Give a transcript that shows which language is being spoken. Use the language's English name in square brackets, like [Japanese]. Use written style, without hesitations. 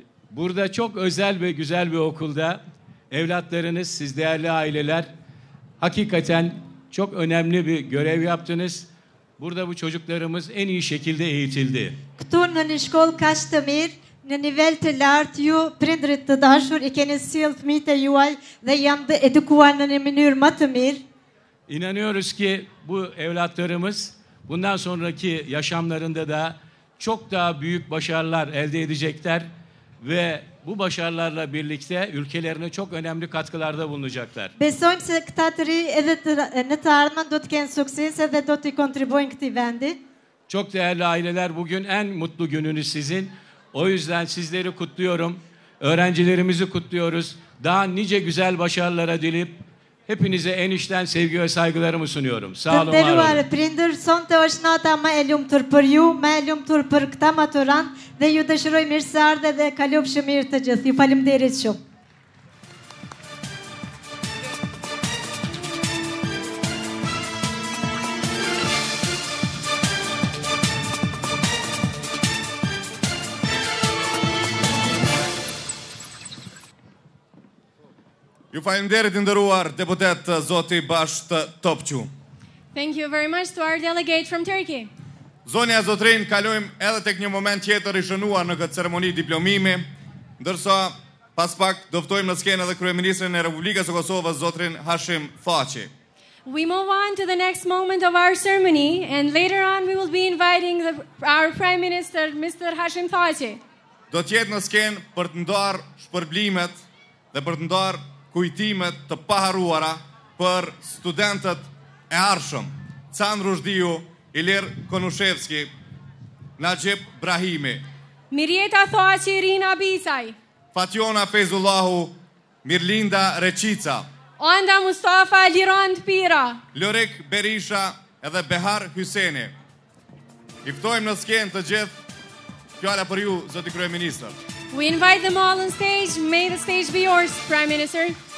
[Turkish] Burada çok özel ve güzel bir okulda evlatlarınız, siz değerli aileler, hakikaten çok önemli bir görev yaptınız. Burada bu çocuklarımız en iyi şekilde eğitildi. [Albanian] Këtu në një shkollë kashtëmir, në nivel të lartë, ju prindrit të dashur, I keni sill fëmijët e juaj dhe janë të edukuar në një mënyrë më të mirë. [Turkish] İnanıyoruz ki bu evlatlarımız bundan sonraki yaşamlarında da çok daha büyük başarılar elde edecekler ve bu başarılarla birlikte ülkelerine çok önemli katkılarda bulunacaklar. [Albanian] Besojmë se këta të ri edhe në të ardhmen do të kenë sukses edhe do të kontribuojnë këtij vendi. [Turkish] Çok değerli aileler, bugün en mutlu gününüz sizin. O yüzden sizleri kutluyorum. Öğrencilerimizi kutluyoruz. Daha nice güzel başarılara dilip hepinize en içten sevgi ve saygılarımı sunuyorum. Sağ olun, var olun. [Albanian] Dëruar prindër, sonte është nata më e lumtur për ju, më e lumtur për këta maturant dhe ju dëshiroj mirëseardhje dhe kalofshi mirë të gjithë. Ju faleminderit shumë. Ju falënderit I nderuar deputet zoti Bashkokçu. [English] Thank you very much to our delegate from Turkey. [Albanian] Zonja Zotrin, kalojmë edhe tek një moment tjetër I shënuar në këtë ceremoni diplomimi, ndërsa pas pak do ftojmë në skenë edhe kryeministrin e Republikës së Kosovës zotrin Hashim Faqi. [English] We move on to the next moment of our ceremony and later on we will be inviting our prime minister Mr. Hashim Faqi. [Albanian] Do të jetë në skenë për të ndarë shpërblimet dhe për të ndarë kujtimet të paharuara për studentët e arshëm, Can Rushdiu, Ilir Konushevski, Najib Brahimi, Mirjeta Thoaqi, Rina Bisaj, Fationa Fezullahu, Mirlinda Reqica, Onda Mustafa, Lirond Pira, Lorik Berisha edhe Behar Hyseni. I ftojmë në skenë të gjithë, fjala për ju, zoti kryeministër. [English] We invite them all on stage. May the stage be yours, Prime Minister.